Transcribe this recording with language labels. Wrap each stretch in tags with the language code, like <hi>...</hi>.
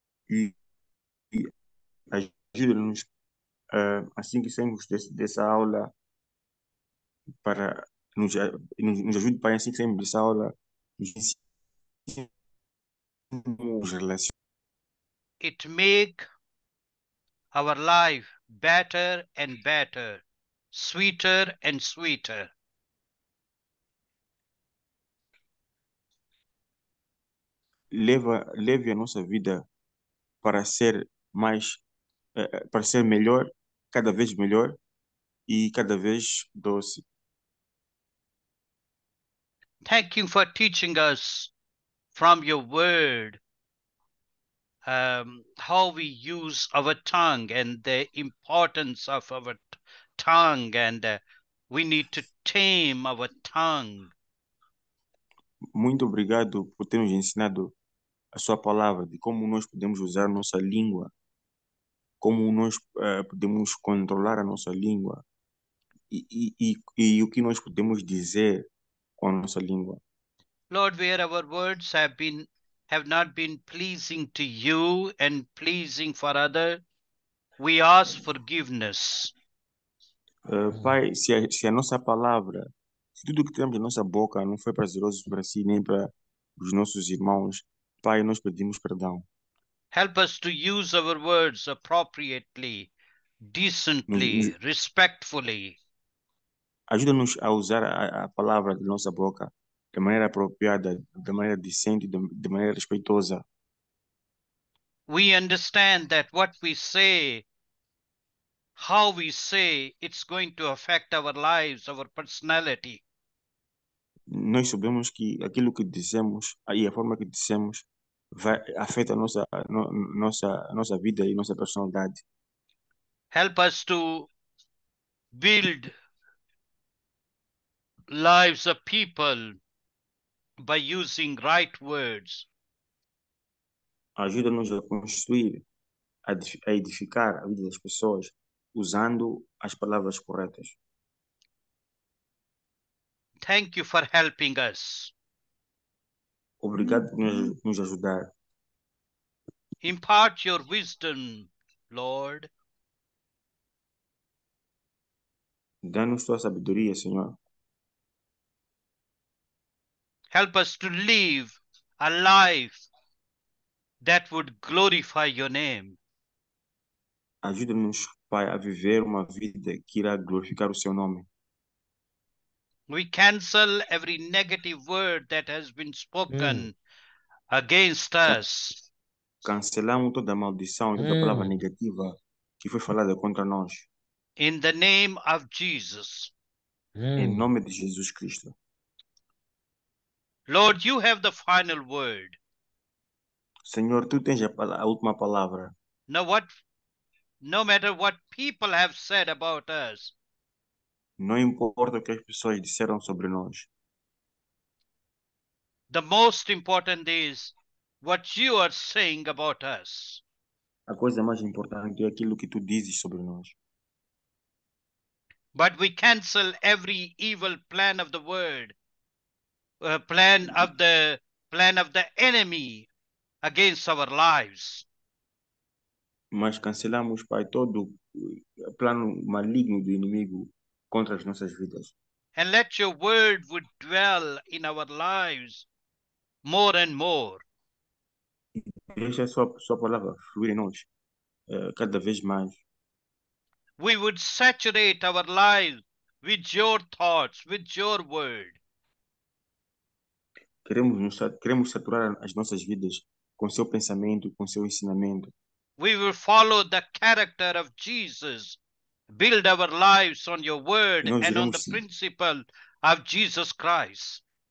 <pt>E ajuda-nos assim que saímos dessa aula para nos ajude para assim que saímos dessa aula nos relacionar.</pt> <en>It make our life better and better, sweeter and sweeter.</en> <pt>Leve a nossa vida para ser mais, para ser melhor, e cada vez doce.</pt> <en>Thank you for teaching us from your word. How we use our tongue and the importance of our tongue, and we need to tame our tongue.</en> <pt>Muito obrigado por ter nos ensinado a sua palavra, de como nós podemos usar a nossa língua, como nós podemos controlar a nossa língua e o que nós podemos dizer com a nossa língua.</pt> <en>Lord, where our words have not been pleasing to you and pleasing for other, we ask forgiveness.</en> <pt>Pai, se a nossa palavra, se tudo que temos na nossa boca não foi prazeroso para si nem para os nossos irmãos, Pai, nós pedimos perdão.</pt> <en>Help us to use our words appropriately, decently, respectfully.</en> <pt>Ajuda-nos a usar a palavra de nossa boca de maneira apropriada, de maneira decente, de maneira respeitosa.</pt> <en>We understand that what we say, how we say, it's going to affect our lives, our personality.</en> <pt>Nós sabemos que aquilo que dizemos e a forma que dizemos vai afetar nossa vida e nossa personalidade.</pt> <en>Help us to build lives of people by using right words.</en> <pt>Ajuda-nos a construir, a edificar a vida das pessoas usando as palavras corretas.</pt> <en>Thank you for helping us.</en> <pt>Obrigado por nos ajudar.</pt> <en>Impart your wisdom, Lord.</en> <pt>Dá-nos tua sabedoria, Senhor.</pt> <en>Help us to live a life that would glorify your name.</en> <pt>Ajuda-nos, Pai, a viver uma vida que irá glorificar o seu nome.</pt> <en>We cancel every negative word that has been spoken against us.</en> <pt>Cancelamos toda a maldição e toda a palavra negativa que foi falada contra nós.</pt> <en>In the name of Jesus.</en> <pt>Em nome de Jesus Cristo.</pt> <en>Lord, you have the final word.</en> <pt>Senhor, tu tens a última palavra.</pt> <en>No matter what people have said about us.</en> <pt>Não importa o que as pessoas disseram sobre nós.</pt> <en>The most important is what you are saying about us.</en> <pt>A coisa mais importante é aquilo que tu dizes sobre nós.</pt> <en>But we cancel every evil plan of the world, plan of the enemy against our lives.</en> <pt>Mas cancelamos, Pai, todo o plano maligno do inimigo contra as nossas vidas.</pt> <en>And let your word would dwell in our lives more and more.</en> <pt>Deixa a sua palavra fluir em nós, cada vez mais.</pt> <en>We would saturate our lives with your thoughts, with your word.</en> <pt>Queremos saturar as nossas vidas com seu pensamento, com seu ensinamento.</pt> <en>We will follow the character of Jesus. Build our lives on your word and on the principle of Jesus Christ.</en>